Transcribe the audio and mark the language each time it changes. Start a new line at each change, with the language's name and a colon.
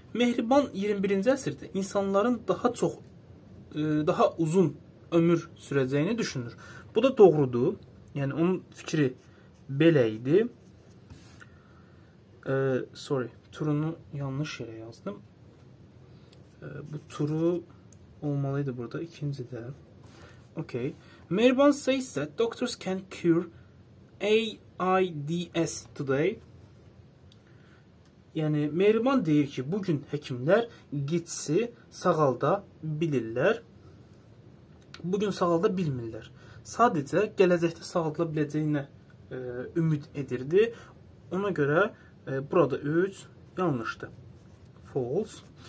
Azerbaijani: Mehriban 21-ci əsrdə insanların daha uzun ömür sürəcəyini düşünür. Bu da doğrudur. Yəni onun fikri belə idi.
English: Sorry,
Azerbaijani: turunu yanlış yerə yazdım. Bu turu olmalıydı burada, ikinci də.
English: Okay. Mehriban says that doctors can cure AIDS today.
Azerbaijani: Yəni Mehriban deyir ki, bugün həkimlər GİTS-i sağalda bilirlər. Bugün sağalda bilmirlər. Sadəcə gələcəkdə sağalda biləcəyinə ümid edirdi. Ona görə burada 3 yanlışdır.
English: False.